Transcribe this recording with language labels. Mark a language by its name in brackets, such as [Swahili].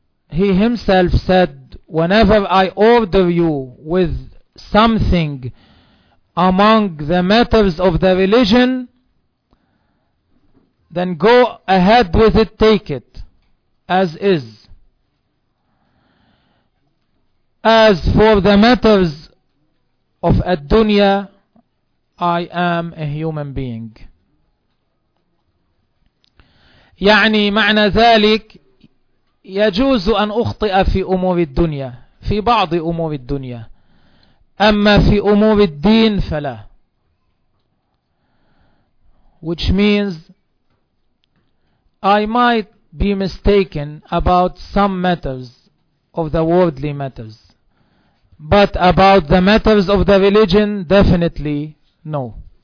[English] He himself said, whenever I order you with something among the matters of the religion, then go ahead with it, take it as is. As for the matters of ad-dunya, I am a human being. [Arabic] يعني معنى ذلك يجوز أن أخطئ في أمور الدنيا، في بعض أمور الدنيا، أما في أمور الدين فلا. [English] Which means I might be mistaken about some matters of the worldly matters, but about the matters of the religion, definitely no.